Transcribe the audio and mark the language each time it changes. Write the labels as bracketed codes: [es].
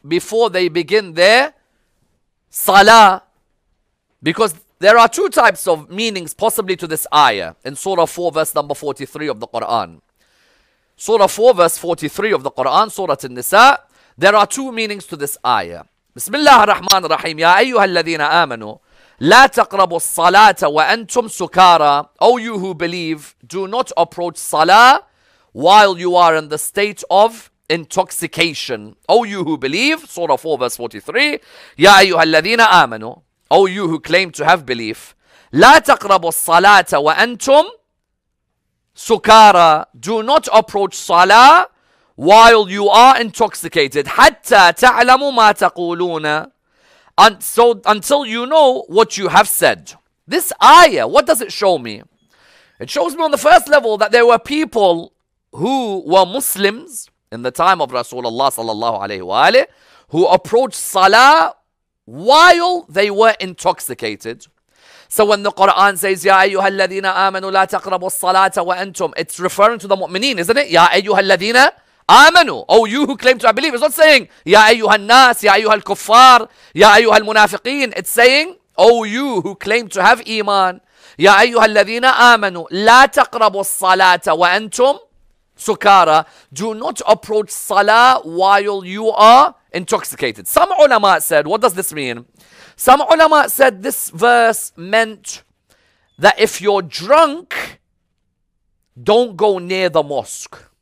[en] Before they begin their salah. Because there are two types of meanings possibly to this ayah in Surah 4 verse number 43 of the Quran. Surah 4 verse 43 of the Quran, Surah An-Nisa, there are two meanings to this ayah. [ar] بسم الله الرحمن الرحيم يا أيها الذين آمنوا لا تقربوا الصلاة وأنتم سكارى. [en] O you who believe, do not approach salah while you are in the state of intoxication. O you who believe, Surah 4 verse 43, [ar] يا أيها الذين آمنوا, [en] O you who claim to have belief, [ar] لا تقربوا الصلاة وأنتم سكارى. [en] Do not approach salah while you are intoxicated, [ar] حَتَّى تَعْلَمُ مَا تَقُولُونَ, [en] and so until you know what you have said. This ayah, what does it show me? It shows me on the first level that there were people who were Muslims in the time of Rasulullah sallallahu alayhi wa alayhi, who approached salah while they were intoxicated. So when the Quran says, [ar] يَا أَيُّهَا الَّذِينَ آمَنُوا لَا تَقْرَبُوا الصَّلَاةَ وَأَنْتُمْ, [en] it's referring to the mu'mineen, isn't it? [ar] يَا أَيُّهَا الَّذِينَ آمنوا, [en] O you who claim to have believed. It's not saying [ar] يا أيها الناس, يا أيها الكفار, يا أيها المنافقين. [en] It's saying, O you who claim to have [ar] إيمان, يا أيها الذين آمنوا, لا تقربوا الصلاة وأنتم سكارى. [en] Do not approach salah while you are intoxicated. Some ulama said, what does this mean? Some ulama said this verse meant that if you're drunk, don't go near the mosque.